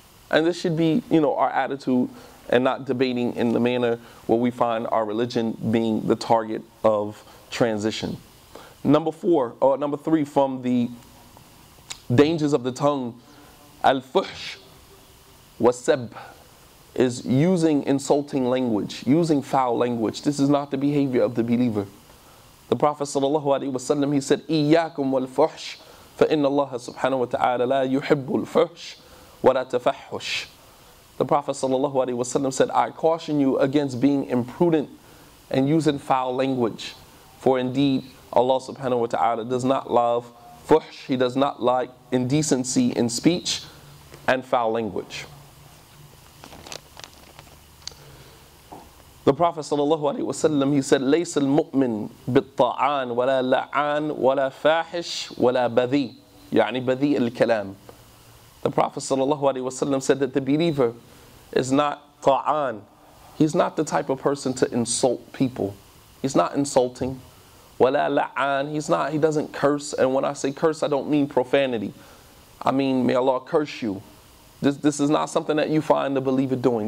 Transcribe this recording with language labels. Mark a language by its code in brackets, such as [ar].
[en] And this should be, you know, our attitude, and not debating in the manner where we find our religion being the target of transition. Number three from the dangers of the tongue, al-fuhsh wa-sab, is using insulting language, using foul language. This is not the behavior of the believer. The Prophet sallallahu alaihi wasallam, he said, [ar] إِيَّاكُمْ وَالْفُحْشِ فَإِنَّ اللَّهَ سُبْحَانَهُ وَتَعَالَى لَا يُحِبُّ الْفُحْشِ وَلَا تَفَحُّشِ. [en] The Prophet sallallahu alaihi wasallam said, I caution you against being imprudent and using foul language. For indeed, Allah subhanahu wa ta'ala does not love fuhsh, He does not like indecency in speech and foul language. The Prophet sallallahu alaihi wasallam, he said, [ar] لَيْسَ الْمُؤْمِنُ بِالطَّعَانِ وَلَا لَعَانِ وَلَا فَاحِشِ وَلَا بَذِي, يعني بَذِي الْكَلَامِ. [en] The Prophet sallallahu alaihi wasallam said that the believer is not ta'an. He's not the type of person to insult people. He's not insulting. [ar] وَلَا لَعَانِ, [en] he's not, he doesn't curse. And when I say curse, I don't mean profanity. I mean, may Allah curse you. This is not something that you find a believer doing.